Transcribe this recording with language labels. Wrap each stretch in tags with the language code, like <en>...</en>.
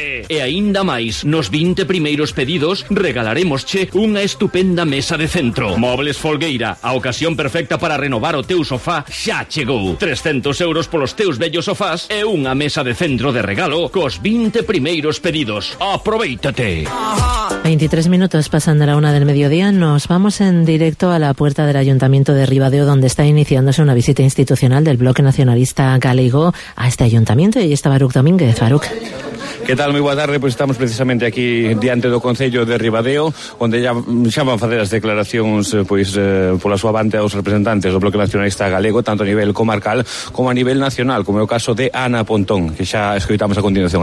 <gl>E aínda máis, nos 20 primeiros pedidos regalaremos che unha estupenda mesa de centro. Mobles Folgueira, a ocasión perfecta para renovar o teu sofá xa chegou. 300 euros polos teus vellos sofás e unha mesa de centro de regalo cos 20 primeiros pedidos. Aproveítate.</gl> <es>23 minutos pasan de la una del mediodía. Nos vamos en directo a la puerta del Ayuntamiento de Ribadeo, donde está iniciándose una visita institucional del Bloque Nacionalista Galego a este ayuntamiento. Y ahí está Baruc Domínguez. Baruc.</es> <gl>Que tal, moi boa tarde, pois estamos precisamente aquí diante do Concello de Ribadeo, onde xa van facer as declaracións pois pola súa banda aos representantes do Bloque Nacionalista Galego, tanto a nivel comarcal como a nivel nacional, como é o caso de Ana Pontón, que xa escoitamos a continuación.</gl>